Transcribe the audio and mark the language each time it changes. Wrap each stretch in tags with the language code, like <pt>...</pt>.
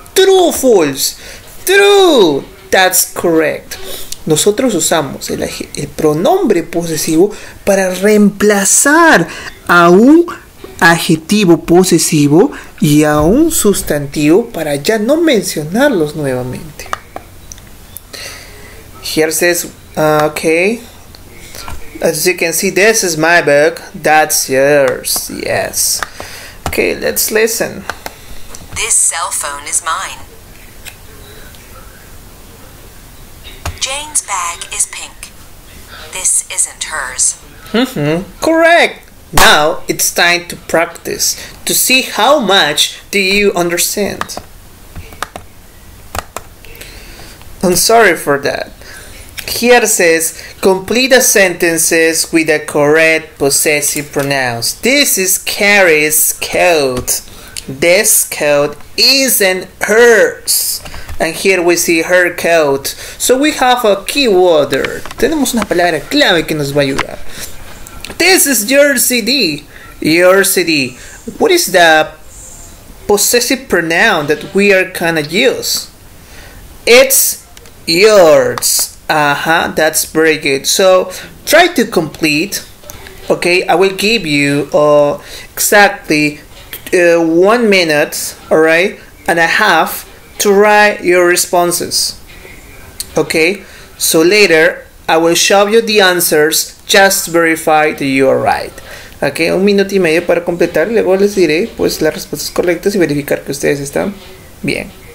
<en>True, false. True. That's correct.</en> <es>Nosotros usamos el pronombre posesivo para reemplazar a un adjetivo posesivo y a un sustantivo para ya no mencionarlos nuevamente.</es> <en>Here says, okay, as you can see, this is my book, that's yours, yes. Okay, let's listen. This cell phone is mine. Jane's bag is pink. This isn't hers. Mm-hmm. Correct. Now it's time to practice to see how much do you understand. I'm sorry for that. Here says, complete the sentences with the correct possessive pronouns. This is Carrie's coat. This coat isn't hers. And here we see her coat. So we have a keyword.</en> <es>Tenemos una palabra clave que nos va a ayudar.</es> <en>This is your CD. Your CD. What is the possessive pronoun that we are gonna use? It's yours. Uh-huh, that's very good. So try to complete. Okay, I will give you exactly 1 minute, all right, and a half to write your responses. Okay, so later I will show you the answers, just verify that you are right.</en> <es>Okay, 1 minuto y medio para completar, luego les diré pues las respuestas correctas y verificar que ustedes están bien.</es>